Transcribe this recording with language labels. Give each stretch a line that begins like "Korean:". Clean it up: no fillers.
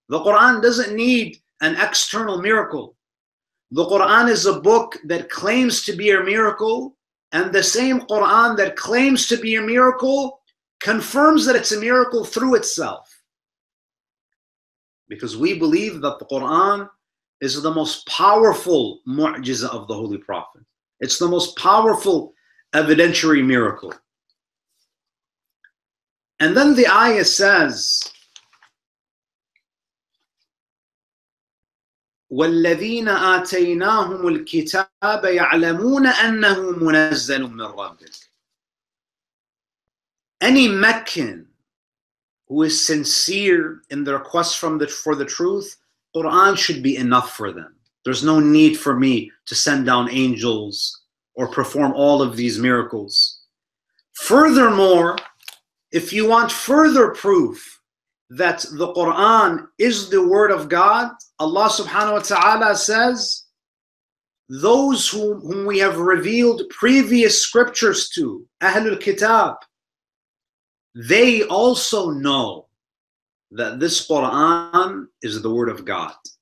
English: The Quran doesn't need an external miracle. The Quran is a book that claims to be a miracle, and the same Quran that claims to be a miracle confirms that it's a miracle through itself. Because we believe that the Quran is the most powerful mu'jizah of the Holy Prophet. It's the most powerful evidentiary miracle. And then the ayah says,
Arabic: وَالَّذِينَ آتَيْنَاهُمُ الْكِتَابَ يَعْلَمُونَ أَنَّهُ مُنَزَّلٌ مِّن رَبِّكَ.
English: Any Meccan who is sincere in their quest for the truth, Quran should be enough for them. There's no need for me to send down angels or perform all of these miracles. Furthermore, if you want further proof that the Quran is the word of God, Allah subhanahu wa ta'ala says, those whom we have revealed previous scriptures to, Ahlul Kitab, they also know that this Quran is the word of God.